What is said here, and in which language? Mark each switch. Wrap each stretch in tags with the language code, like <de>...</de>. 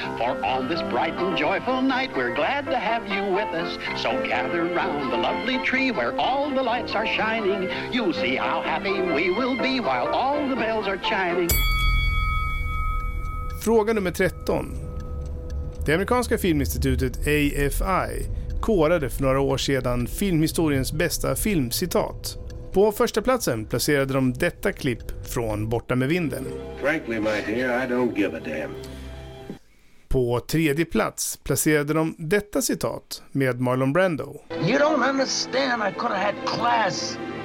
<en>For on this bright and joyful night, we're glad to have you with us. So gather round the lovely tree where all the lights are shining. You'll see how happy we will be while all the bells are chiming.</en> <sv>Fråga nummer 13. Det amerikanska filminstitutet AFI korade för några år sedan filmhistoriens bästa filmcitat. På första platsen placerade de detta klipp från Borta med vinden.</sv> <en>Frankly, my dear, I don't give a damn.</en> <sv>På tredje plats placerade de detta citat med Marlon Brando.</sv> <en>You don't understand, I could have had class.</en>